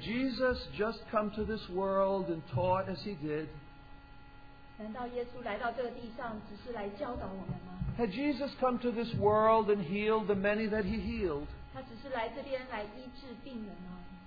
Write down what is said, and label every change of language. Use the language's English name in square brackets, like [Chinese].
[English] Jesus just come to this world and taught as he did? [Chinese] 难道耶稣来到这个地上只是来教导我们吗？ [English] Had Jesus come to this world and healed the many that he healed? [Chinese] 他只是来这边来医治病人吗？